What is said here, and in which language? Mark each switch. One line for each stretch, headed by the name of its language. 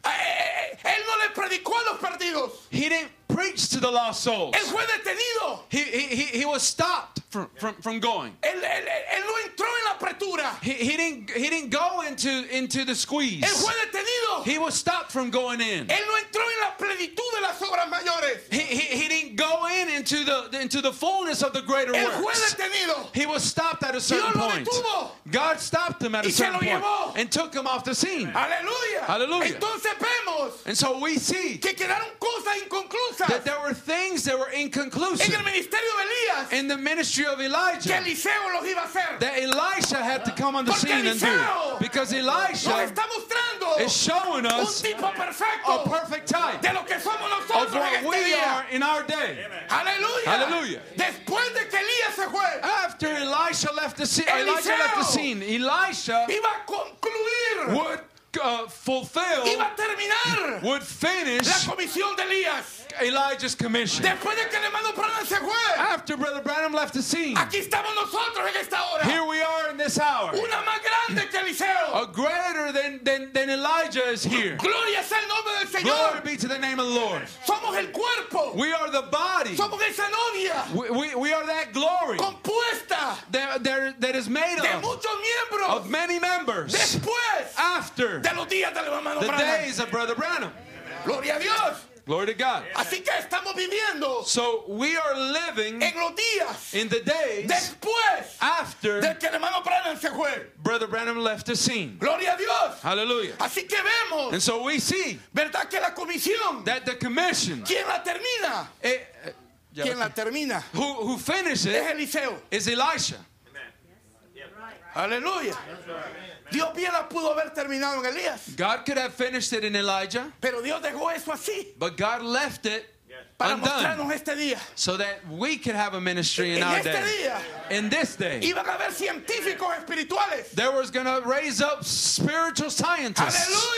Spanish: Él no le predicó a los perdidos.
English: He didn't preach to the lost souls.
Spanish: Él fue detenido.
English: He was stopped from going.
Spanish: Él no entró en la apretura.
English: He didn't go into the squeeze.
Spanish: Él fue detenido.
English: He was stopped from going in.
Spanish: Él no entró en la plenitud de las obras mayores.
English: He didn't go in into the fullness of the greater works.
Spanish: Él fue detenido.
English: He was stopped at a certain point.
Spanish: Dios lo detuvo.
English: God stopped him at a certain point.
Spanish: Y se lo llevó.
English: And took him off the scene.
Spanish: Aleluya.
English: Hallelujah.
Spanish: Entonces vemos.
English: And so we see.
Spanish: Que quedaron cosas inconclusas.
English: That there were things that were inconclusive.
Spanish: En el ministerio de Elías.
English: In the ministry of Elijah.
Spanish: Que Eliseo los iba a hacer.
English: That Elisha had to come on the
Spanish: porque
English: scene
Spanish: Eliseo
English: and do. Because Elisha
Spanish: nos está mostrando
English: is showing us
Spanish: un tipo perfecto,
English: a perfect type
Spanish: de lo que somos nosotros
English: of what
Spanish: en este
English: we
Spanish: día.
English: Are in our day. Hallelujah. Hallelujah.
Spanish: Después de que Elías se fue,
English: after Elisha left the scene,
Spanish: Eliseo
English: left the scene, Elisha
Spanish: iba a concluir.
English: Would fulfill,
Spanish: iba a terminar,
English: would finish
Spanish: la comisión de Elías.
English: Elijah's commission.
Spanish: Después de que el hermano Branham se fue,
English: after Brother Branham left the scene,
Spanish: aquí estamos nosotros en esta hora.
English: Here we are in this hour.
Spanish: Una más grande que Eliseo.
English: A greater than Elijah is here.
Spanish: Gloria sea el nombre del Señor.
English: Glory be to the name of the Lord.
Spanish: Somos el cuerpo.
English: We are the body.
Spanish: Somos esa novia.
English: We are that glory.
Spanish: Compuesta.
English: That is made
Spanish: de muchos miembros.
English: Of many members.
Spanish: Después.
English: After.
Spanish: De los días del hermano Branham.
English: The days of Brother Branham.
Spanish: Gloria a Dios.
English: Glory to God.
Spanish: Así que estamos viviendo.
English: So we are living
Spanish: en los días
English: in the days
Spanish: después
English: after
Spanish: de que el hermano Branham se fue.
English: Brother Branham left the scene.
Spanish: Gloria a Dios.
English: Hallelujah.
Spanish: Así que vemos.
English: And so we see,
Spanish: ¿verdad que la comisión,
English: that the commission,
Spanish: ¿quién la termina? ¿Quién la termina?
English: Who finishes
Spanish: it? Es Eliseo.
English: Is Elisha.
Spanish: Aleluya. Dios bien la pudo haber terminado en Elías.
English: God could have finished it in Elijah.
Spanish: Pero Dios dejó eso así.
English: But God left it yes.
Spanish: Para
English: undone.
Spanish: Mostrarnos este día.
English: So that we could have a ministry in
Spanish: en
English: our
Spanish: este
English: day.
Spanish: Día,
English: in this day.
Spanish: Iban a haber científicos espirituales.
English: There was going to raise up spiritual scientists.